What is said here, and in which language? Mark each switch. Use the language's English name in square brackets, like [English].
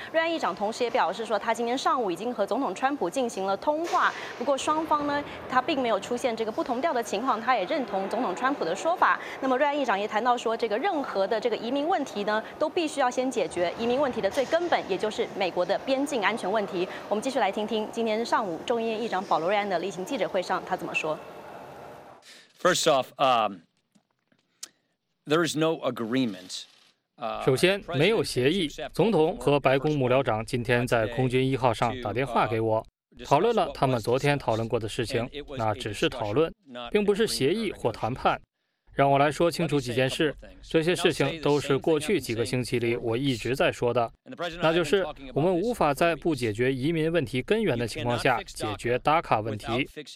[Chinese] 瑞安议长同时也表示说，他今天上午已经和总统川普进行了通话，不过双方呢，他并没有出现这个不同调的情况，他也认同总统川普的说法。那么瑞安议长也谈到说，这个任何的这个移民问题呢，都必须要先解决移民问题的最根本，也就是美国的边境安全问题。我们继续来听听今天上午众议院议长保罗·瑞安的例行记者会上他怎么说。 [English] First off, there is no agreement. [Chinese] 首先，没有协议。总统和白宫幕僚长今天在空军一号上打电话给我，讨论了他们昨天讨论过的事情，那只是讨论，并不是协议或谈判。让我来说清楚几件事，这些事情都是过去几个星期里我一直在说的，那就是我们无法在不解决移民问题根源的情况下解决 DACA 问题。